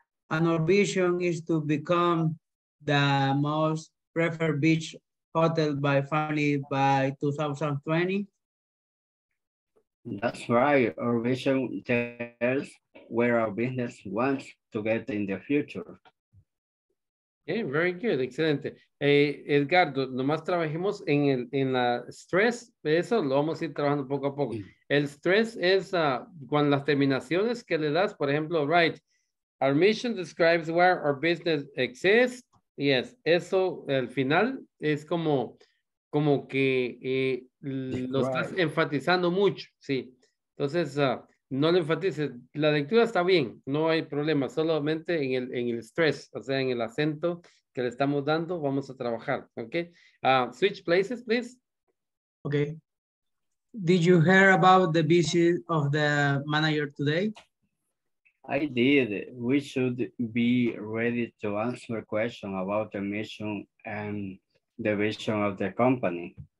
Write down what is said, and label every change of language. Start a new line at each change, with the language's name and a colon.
English: And our vision is to become the most preferred beach hotel by family by 2020. That's right, our vision tells where our business wants to get in the future. Yeah, very good, excelente.
Spanish: Edgardo, nomás trabajemos en el en la stress, eso lo vamos a ir trabajando poco a poco. El stress es con las terminaciones que le das, por ejemplo,
English: right, our mission describes where our business exists.
Spanish: Yes, eso al final es como, como que lo estás enfatizando mucho, sí. Entonces, no lo enfatices. La lectura está bien, no hay problema, solamente en el stress, o sea, en el acento que le estamos dando, vamos a trabajar, ¿ok?
English: Switch places, please. Ok. Did you hear about the visit of the manager today? I did. We should be ready to answer questions about the mission and the vision of the company.